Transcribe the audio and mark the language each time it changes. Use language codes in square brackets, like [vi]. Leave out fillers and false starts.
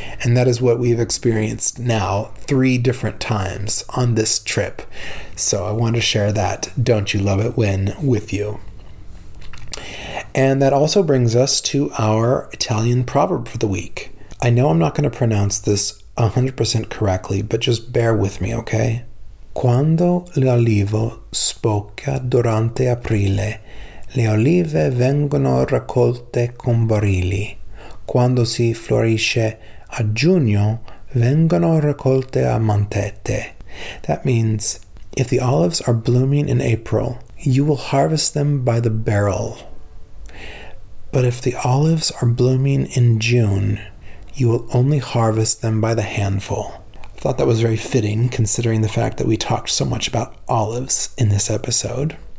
[en] And that is what we've experienced now three different times on this trip. So I want to share that don't you love it when with you. And that also brings us to our Italian proverb for the week. I know I'm not going to pronounce this 100% correctly, but just bear with me, okay? [it] Quando l'olivo spocca durante aprile, le olive vengono raccolte con barili. Quando si fiorisce a giugno, vengono raccolte a mantette. [en] That means, if the olives are blooming in April, you will harvest them by the barrel. But if the olives are blooming in June, you will only harvest them by the handful. I thought that was very fitting, considering the fact that we talked so much about olives in this episode.